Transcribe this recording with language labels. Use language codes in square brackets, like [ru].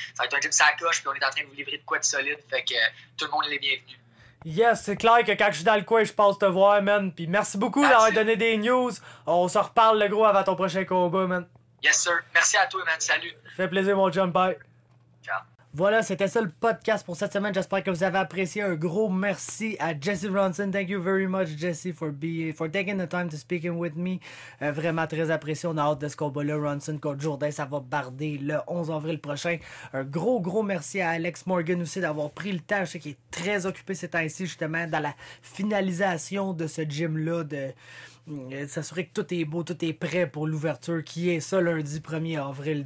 [fr] Ça va être un gym sacoche, puis on est en train de vous livrer de quoi de solide, fait que tout le monde est les bienvenus. Yes, c'est clair que quand je suis dans le coin, je passe te voir, man. Puis merci beaucoup d'avoir donné des news. On se reparle, le gros, avant ton prochain combat, man. Yes, sir. Merci à toi, man. Salut. Fait plaisir, mon John. Bye. Ciao. Voilà, c'était ça le podcast pour cette semaine. J'espère que vous avez apprécié. Un gros merci à Jesse Ronson. [en] Thank you very much, Jesse, for taking the time to speak with me. [fr] Vraiment très apprécié. On a hâte de ce combat-là. Ronson contre Jourdain, ça va barder le 11 avril prochain. Un gros, gros merci à Alex Morgan aussi d'avoir pris le temps. Je sais qu'il est très occupé ces temps-ci, justement, dans la finalisation de ce gym-là, de s'assurer que tout est beau, tout est prêt pour l'ouverture qui est ça lundi 1er avril.